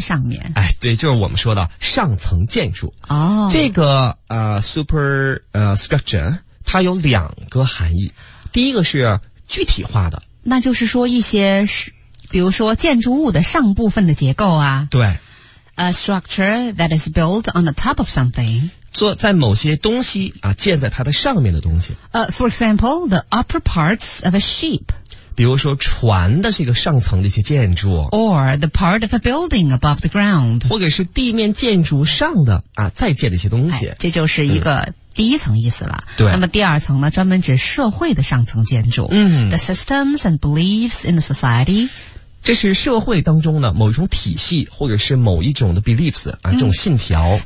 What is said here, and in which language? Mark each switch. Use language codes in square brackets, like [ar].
[zh] 上面。对，就是我们说的上层建筑。哦，这个 super structure 它有两个含义。第一个是具体化的，那就是说一些比如说建筑物的上部分的结构啊。对。 [en] A structure that is built on the top of something. [zh] 做在某些东西啊建在它的上面的东西。 [en] For example, the upper parts of a ship. [zh] 比如说船的这个上层的一些建筑。 [en] Or the part of a building above the ground. [zh] 或者是地面建筑上的啊再建的一些东西。这就是一个第一层意思了。对。那么第二层呢专门指社会的上层建筑。嗯。 [en] The systems and beliefs in the society. [zh] 这是社会当中的某一种体系或者是某一种的 beliefs, 啊这种信条。